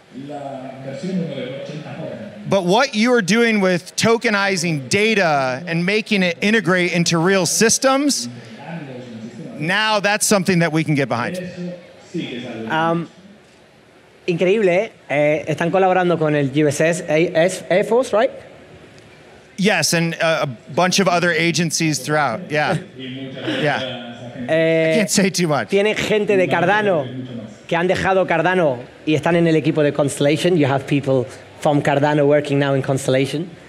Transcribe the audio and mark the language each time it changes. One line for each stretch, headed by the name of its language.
English: But what you are doing with tokenizing data and making it integrate into real systems, now that's something that we can get behind.
Spanish: Increíble. Están colaborando con el USS Air Force, right?
English: Yes, and a bunch of other agencies throughout. Yeah. Yeah. I can't say too much.
Spanish: Tiene gente de Cardano que han dejado Cardano y están en el equipo de Constellation.
English: You have people from Cardano working now in Constellation.